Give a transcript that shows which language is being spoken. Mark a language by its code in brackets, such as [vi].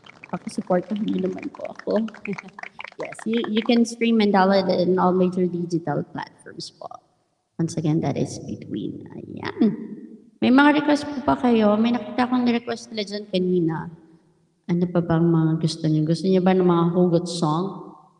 [tl] Ako support ko, hindi naman ko ako. [en] Yes, you can stream and download it in all major digital platforms po. Once again, that is Between. Ayan. [tl] May mga request po pa kayo? May nakita akong request nila dyan kanina. Ano pa bang mga gusto niyo? Gusto niyo ba ng mga hugot song?